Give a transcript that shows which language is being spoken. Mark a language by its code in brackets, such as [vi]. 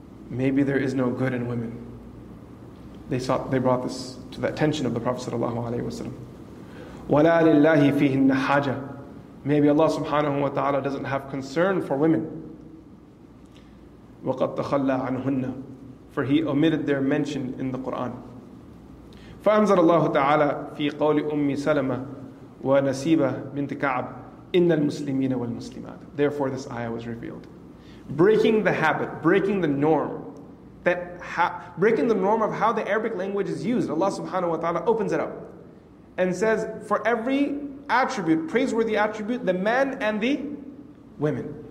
[en] Maybe there is no good in women. They brought this to the attention of the Prophet sallallahu alaihi wasallam. [ar] وَلَا لِلَّهِ فِيهِنَّ حَاجَةٍ. [en] Maybe Allah subhanahu wa ta'ala doesn't have concern for women. [ar] وَقَدْ تَخَلَّى عَنْهُنَّ. [en] For he omitted their mention in the Qur'an. [ar] فأنزل الله تعالى في قول أم سلمة ونسيبة بنت كعب إن المسلمين والمسلمات. [en] Therefore this ayah was revealed. Breaking the habit, breaking the norm, breaking the norm of how the Arabic language is used, Allah subhanahu wa ta'ala opens it up and says, for every attribute, praiseworthy attribute, the men and the women.